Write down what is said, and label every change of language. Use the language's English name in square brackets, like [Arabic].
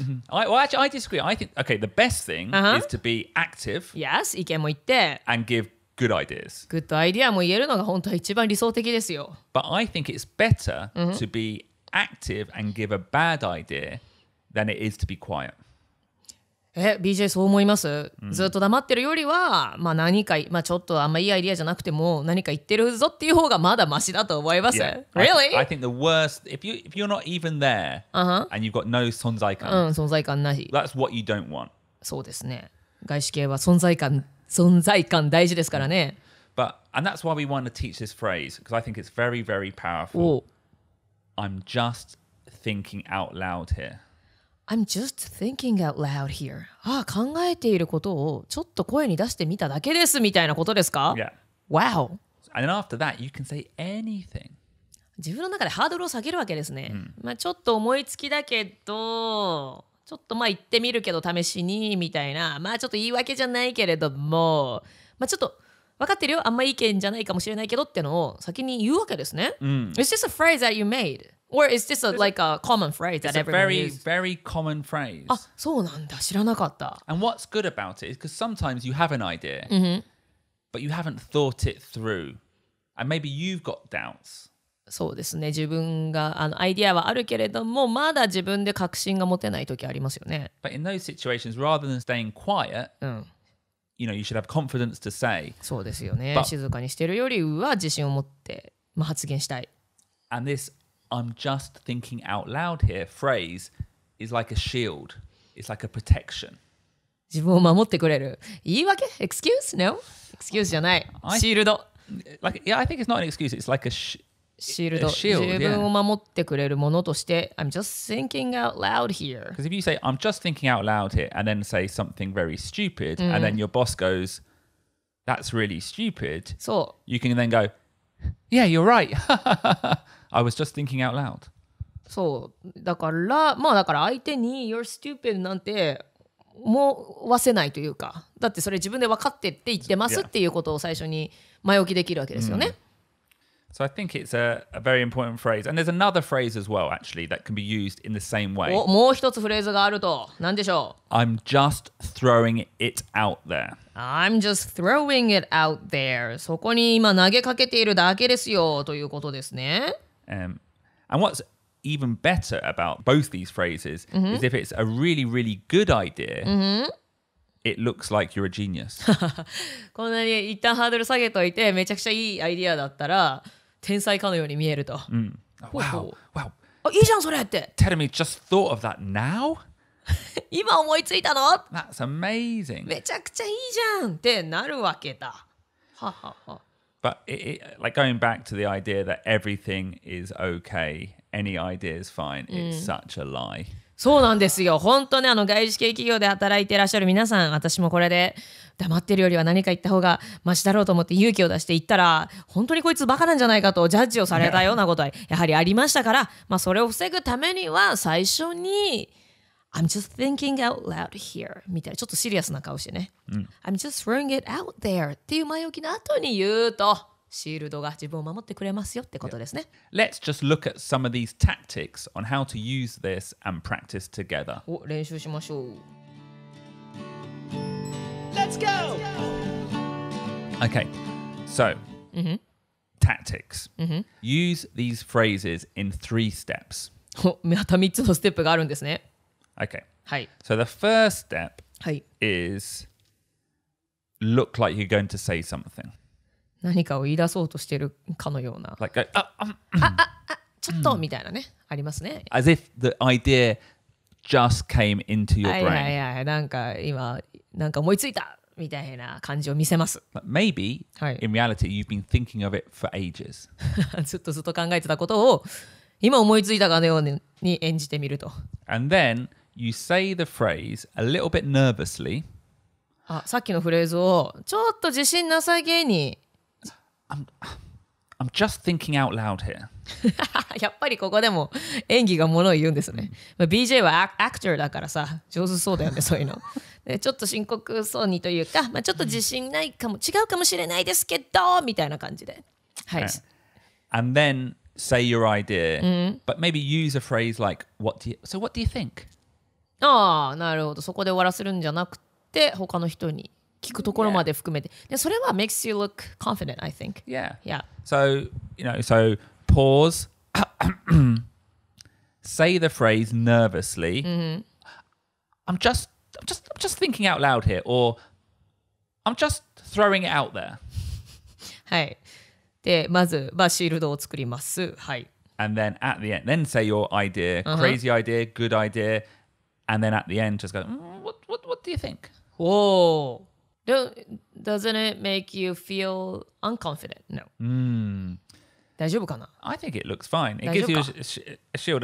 [English] Well, actually, I disagree. I think, okay, the best thing、uh-huh. is to be active. [Japanese] Yes, 意見も言って。 [English] And give good ideas. [Japanese] Good idea も言えるのが本当は一番理想的ですよ。 [English] But I think it's better to be active and give a bad idea than it is to be quiet. [Japanese] BJ そう思います、うん、ずっと黙ってるよりは、まあ、何か、まあ、ちょっとあんまいいアイディアじゃなくても何か言ってるぞっていう方がまだマシだと思います、yeah. [English] Really? I think the worst if you're not even there、 uh-huh. and you've got no 存在感、 [Japanese] うん、存在感なし [English] That's what you don't want [Japanese] そうですね外資系は存在感大事ですからね [English] But, And that's why we want to teach this phrase because I think it's very very powerful I'm just thinking out loud here I'm just thinking out loud here. [Japanese] ああ、考えていることをちょっと声に出してみただけですみたいなことですか [English] Yeah. Wow. And then after that, you can say anything. [Japanese] 自分の中でハードルを下げるわけですね。 Mm. まあちょっと思いつきだけど、ちょっとまあ言ってみるけど試しにみたいな、まあちょっと言い訳じゃないけれども、まあちょっと分かってるよ、あんまいい意見じゃないかもしれないけどってのを先に言うわけですね。 Mm. [English] It's just a phrase that you made. Or is this a, like a common phrase that everyone uses? It's a very, very common phrase. [Japanese] あ、そうなんだ。知らなかった。 [English] And what's good about it is because sometimes you have an idea,、 mm-hmm. but you haven't thought it through. And maybe you've got doubts. [Japanese] そうですね。自分があのアイディアはあるけれども、まだ自分で確信が持てない時ありますよね。 [English] But in those situations, rather than staying quiet,、 [Japanese] うん、 [English] you know, you should have confidence to say. [Japanese] そうですよね。 But, 静かにしてるよりは自信を持って、まあ、発言したい。 [English] And this, I'm just thinking out loud here, phrase is like a shield. It's like a protection. [Japanese] 自分を守ってくれる。言い訳 ? [English] Excuse? No? [Japanese] Excuse じゃない。シールド。 [English] Like, yeah, I think it's not an excuse. It's like a [Japanese] shield. Shield, 自分を守ってくれるものとして、yeah. [English] I'm just thinking out loud here. Because if you say, I'm just thinking out loud here, and then say something very stupid,、mm-hmm. and then your boss goes, that's really stupid, [Japanese] そう。 [English] You can then go, yeah, you're right. I was just thinking out loud. [Japanese] そう。だから、まあだから相手に [English] you're stupid [Japanese] なんて思わせないというか、だってそれ自分で分かってって言ってますっていうことを最初に前置きできるわけですよね。 Mm-hmm. [English] So I think it's a very important phrase. And there's another phrase as well, actually, that can be used in the same way. [Japanese] お、もう一つフレーズがあると。何でしょう? [English] I'm just throwing it out there. I'm just throwing it out there. [Japanese] そこに今投げかけているだけですよ、ということですね。 [English] And what's even better about both these phrases、mm-hmm. is if it's a really, really good idea,、 mm-hmm. It looks like you're a genius. [Japanese] こんなに一旦ハードル下げといてめちゃくちゃいいアイディアだったら天才かのように見えると。 [English] うん。Wow. Wow. [Japanese] あ、いいじゃんそれって。 [English] Teremy just thought of that now? [Japanese] 今思いついたの? [English] That's amazing. [Japanese] めちゃくちゃいいじゃんってなるわけだ。はは。 [English] But it, like going back to the idea that everything is okay, any idea is fine, it's such a lie. [Japanese] そうなんですよ。本当ね、あの外資系企業で働いていらっしゃる皆さん、私もこれで黙ってるよりは何か言った方がマシだろうと思って勇気を出して言ったら、本当にこいつバカなんじゃないかとジャッジをされたようなことはやはりありましたから、まあそれを防ぐためには最初に、 [English] I'm just thinking out loud here [Japanese] みたいな、ちょっとシリアスな顔してね。うん、 [English] I'm just throwing it out there [Japanese] っていう前置きの後に言うと、シールドが自分を守ってくれますよってことですね。 [English] Let's just look at some of these tactics on how to use this and practice together. [Japanese] 練習しましょう。 [English] Let's go! Okay, so,、 mm-hmm. tactics.、 Mm-hmm. Use these phrases in three steps. [Japanese] また3つのステップがあるんですね。 [English] Okay. [Japanese] はい。 [English] So the first step、 [Japanese] はい、 [English] is look like you're going to say something. [Japanese] 何かを言い出そうとしてるかのような。 [English] Like, [Japanese] ちょっとみたいなね、ありますね。 [English] As if the idea just came into your brain. [Japanese] いやいや、なんか今、なんか思いついたみたいな感じを見せます。 [English] But maybe, in reality, you've been thinking of it for ages. [Japanese] ずっとずっと考えてたことを、今思いついたかのように演じてみると。 [English] And then, you say the phrase a little bit nervously. [Japanese] あ、さっきのフレーズを、ちょっと自信なさげに。 [English] I'm just thinking out loud here. [Japanese] やっぱりここでも演技がものを言うんですね。まあ、BJ はアクターだからさ、上手そうだよね、そういうの。で、ちょっと深刻そうにというか、まあ、ちょっと自信ないかも、違うかもしれないですけど、みたいな感じで。はい。Okay. [English] And then say your idea,、 mm-hmm. but maybe use a phrase like, what do you, so what do you think? [Japanese] ああ、なるほど。そこで終わらせるんじゃなくて、他の人に。聞くところまで含めて、yeah. でそれは [English] makes you look confident, I think. Yeah. Yeah. So, you know, so pause, say the phrase nervously.、 Mm-hmm. I'm just thinking out loud here, or I'm just throwing it out there. [Japanese] はい。で、まず、まあ、シールドを作ります。はい。 [English] And then at the end, then say your idea,、uh-huh. crazy idea, good idea, and then at the end, just go,、what do you think? Whoa. Doesn't it make you feel unconfident? No. Mm. [Japanese] 大丈夫かな? [English] I think it looks fine. It gives you a shield.